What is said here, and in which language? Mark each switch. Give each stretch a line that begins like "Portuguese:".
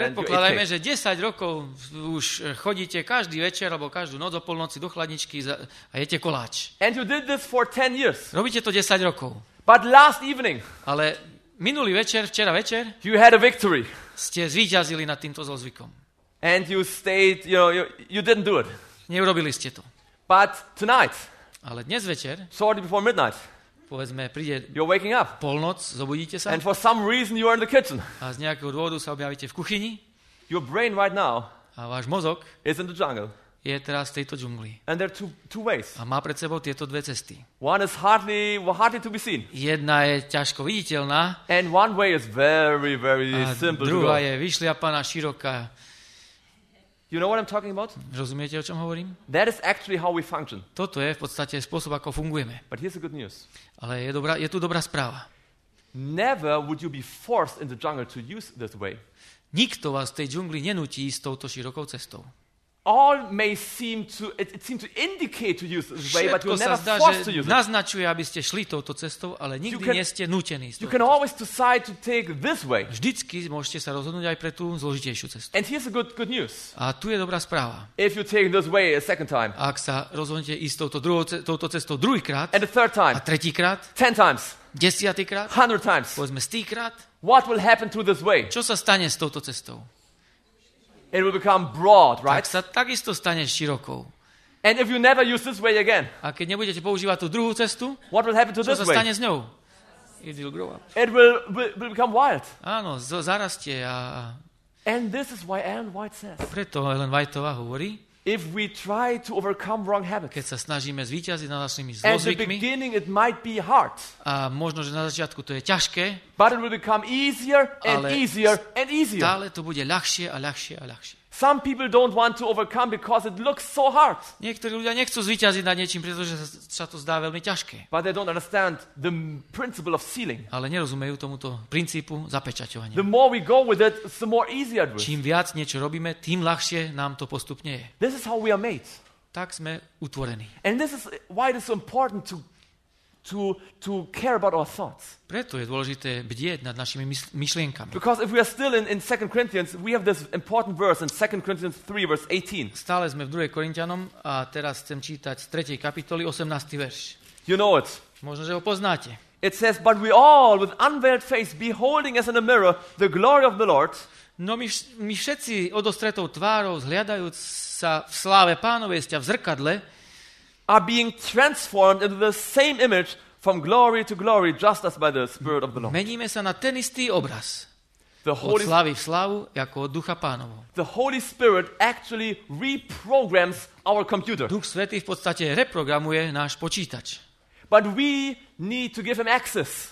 Slovak: Predpokladajme, že 10 rokov už chodíte každý večer alebo každú noc o polnoci do chladničky a jete koláč.
English: And you did this for 10 years.
Slovak: Robíte to 10 rokov.
English: But last evening.
Slovak: Ale minulý večer, včera večer.
English: You had a victory.
Slovak: Ste zvíťazili nad týmto zlozvykom.
English: And you stayed, you didn't do it.
Slovak: Neurobili ste to.
English: But tonight.
Slovak: Ale dnes večer.
English: Shortly before midnight.
Slovak: Povedzme, príde
English: you're waking up.
Slovak: Polnoc, zobudíte sa.
English: And for some reason you are in the kitchen.
Slovak: A z nejakého dôvodu sa objavíte v kuchyni.
English: Your brain right now.
Slovak: A váš mozog
English: is in the jungle.
Slovak: Je teraz v tejto džungli.
English: And there are two ways.
Slovak: A má pred sebou tieto dve cesty.
English: One is hardly to be seen.
Slovak: Jedna je ťažko viditeľná.
English: And one way is very very simple.
Slovak: A druhá je vyšliapaná, široká.
English: You know what I'm talking about?
Slovak: Rozumiete, o čom hovorím?
English: That is actually how we function.
Slovak: Toto je v podstate spôsob, ako fungujeme.
English: But here's the good news.
Slovak: Ale je tu dobrá správa.
English: Never would you be forced in the jungle to use this way.
Slovak: Nikto vás v tej džungli nenutí s touto širokou cestou.
English: All may seem to it seem to indicate to use this way, but you're never forced to use it.
Slovak: Naznačuje, aby ste šli touto cestou, ale nikdy nie ste nútení.
English: You can always decide to take this way.
Slovak: Vždycky môžete sa rozhodnúť aj pre tú zložitejšiu cestu.
English: And here's a good news.
Slovak: A tu je dobrá správa.
English: If you take this way a second time.
Slovak: Ak sa rozhodnete ísť touto cestou druhýkrát.
English: And a third time.
Slovak: A tretíkrát.
English: 10 times.
Slovak: 10-krát.
English: 100 times.
Slovak: Povedzme 100-krát.
English: What will happen to this way?
Slovak: Čo sa stane s touto cestou?
English: It will become broad, right?
Slovak: Tak sa takisto stane širokou.
English: And if you never use this way again.
Slovak: A keď nebudete používať tú druhú cestu?
English: What will happen to this way?
Slovak: Čo sa stane s ňou?
English: It will grow up. It will become wild.
Slovak: Áno, zarastie a
English: and this is why Ellen White says.
Slovak: Preto Ellen Whiteová hovorí.
English: If we try to overcome wrong habits.
Slovak: Keď sa snažíme zvíťaziť nad našimi zlozvykmi.
English: At the beginning it might be hard.
Slovak: A možno, že na začiatku to je ťažké.
English: But it will become easier and easier and easier.
Slovak: Stále to bude ľahšie a ľahšie a ľahšie.
English: Some people don't want to overcome because it looks so hard.
Slovak: Niektorí ľudia nechcú zvíťaziť nad niečím, pretože sa to zdá veľmi ťažké.
English: But they don't understand the principle of sealing.
Slovak: Ale nerozumejú tomuto princípu zapečaťovania.
English: The more we go with it, the more easier it will.
Slovak: Čím viac niečo robíme, tým ľahšie nám to postupne je.
English: This is how we are made.
Slovak: Tak sme utvorení.
English: And this is why it is so important to care about our thoughts.
Slovak: Preto je dôležité bdieť nad našimi myšlienkami.
English: Because if we are still in 2 Corinthians, we have this important verse in 2 Corinthians 3 verse 18.
Slovak: Stále sme v 2. Korintianom a teraz chcem čítať z 3. kapitoly 18. verš.
English: You know it.
Slovak: Možno, že ho poznáte.
English: It says, but we all with unveiled face beholding as in a mirror the glory of the Lord.
Slovak: No my všetci odostretou tvárou zhliadajúc sa v sláve Pánovej sťa v zrkadle
English: are being transformed into the same image from glory to glory just as by the Spirit of the Lord.
Slovak: Meníme sa na ten istý obraz. Od slavy v slavu, ako od Ducha Pánovho.
English: The Holy Spirit actually reprograms our computer.
Slovak: Duch Svätý v podstate reprogramuje náš počítač.
English: But we need to give him access.